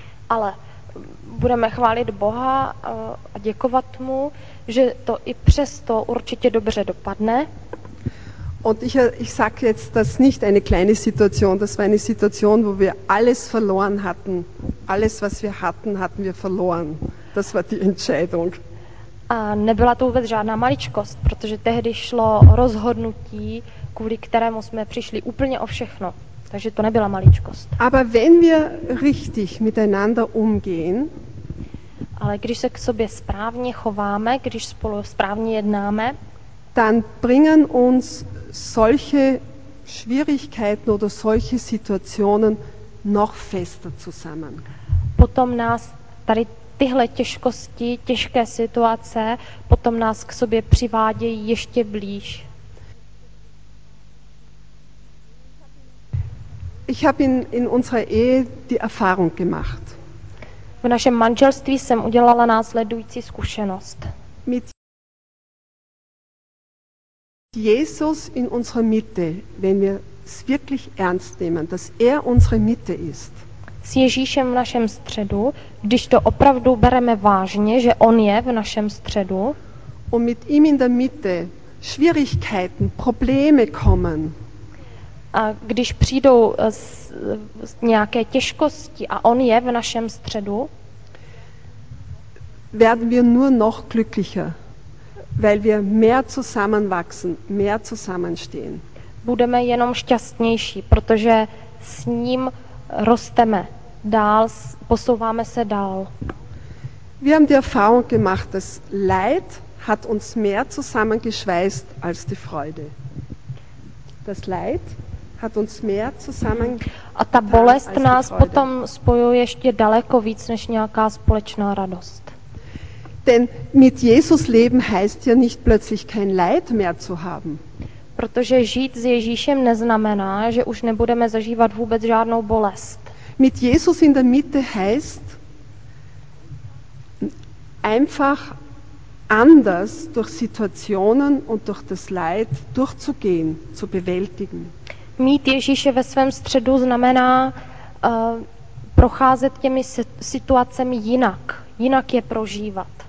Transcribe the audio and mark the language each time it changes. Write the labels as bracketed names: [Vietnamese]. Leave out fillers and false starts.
[Czech] Ale budeme chválit Boha a děkovat mu, že to i přesto určitě dobře dopadne. [German] Und ich sag jetzt, das nicht eine kleine Situation, das war eine Situation, wo wir alles verloren hatten. Alles, was wir hatten, hatten wir verloren. Das war die Entscheidung. [Czech] A nebyla to vůbec žádná maličkost, protože tehdy šlo rozhodnutí, kvůli kterému jsme přišli úplně o všechno. Takže to nebyla maličkost. [German] Aber wenn wir richtig miteinander umgehen, [Czech] ale když se k sobě správně chováme, když spolu správně jednáme, [German] dann bringen uns solche Schwierigkeiten oder solche Situationen noch fester zusammen. [Czech] Potom nás tady tyhle těžkosti, těžké situace, potom nás k sobě přivádějí ještě blíž. [German] Ich habe in unserer Ehe die Erfahrung gemacht. [Czech] V našem manželství jsem udělala následující zkušenost. [German] Mit Jesus in unserer Mitte, wenn wir es wirklich ernst nehmen, dass unsere Mitte ist. [Czech] S Ježíšem v našem středu, když to opravdu bereme vážně, že on je v našem středu. [German] Und mit ihm in der Mitte Schwierigkeiten, Probleme kommen. [Czech] A když přijdou nějaké těžkosti a on je v našem středu, [German] werden wir nur noch glücklicher, weil wir mehr zusammenwachsen, mehr zusammenstehen. [Czech] Budeme jenom šťastnější, protože s ním rosteme dál, posouváme se dál. [German] Wir haben die Erfahrung gemacht, dass Leid hat uns mehr zusammengeschweißt als die Freude. Das Leid hat uns mehr zusammen. [Czech] A ta bolest nás potom spojuje ještě daleko víc než nějaká společná radost. [German] Denn mit Jesus leben heißt ja nicht plötzlich kein Leid mehr zu haben. [Czech] Protože žít s Ježíšem neznamená, že už nebudeme zažívat vůbec žádnou bolest. [German] Mit Jesus in der Mitte heißt einfach anders durch Situationen und durch das Leid durchzugehen, zu bewältigen. [Czech] Mít Ježíše ve svém středu znamená procházet těmi situacemi jinak, jinak je prožívat.